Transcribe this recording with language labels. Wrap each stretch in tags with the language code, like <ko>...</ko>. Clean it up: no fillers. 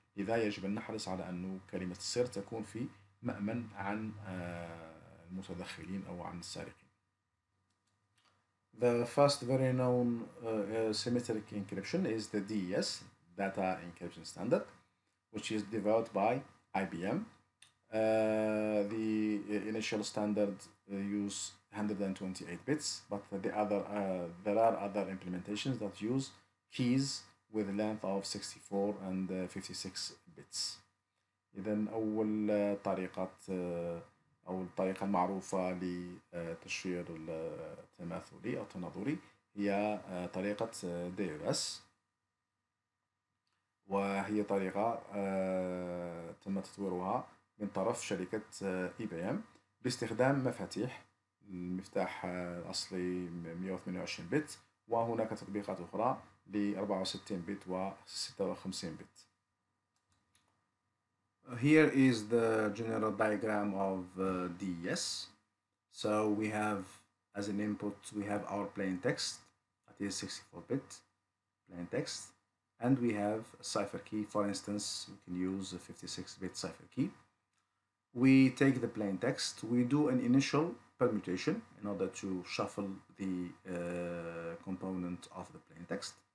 <ar>لذا يجب أن نحرص على أن كلمة السر تكون في مأمن عن المتدخلين أو عن السارقين.</ar> <en>The first very known symmetric encryption is the DES, Data Encryption Standard, which is developed by IBM. The initial standard use 128 bits, but there are other implementations that use keys with length of 64 and 56 bits.</en> <ar>إذن أول طريقة أو الطريقة المعروفة لتشفير التماثلي أو التناظري هي طريقة DES، وهي طريقة تم تطويرها من طرف شركة IBM باستخدام مفاتيح المفتاح الأصلي 128 بت، وهناك تطبيقات أخرى ل 64 بت و 56 بت.</ar> <en>Here is the general diagram of DES. So we have, as an input, we have our plain text, that is 64 bit plain text, and we have a cipher key. For instance, we can use a 56 bit cipher key. We take the plain text, we do an initial permutation in order to shuffle the component of the plain text.</en>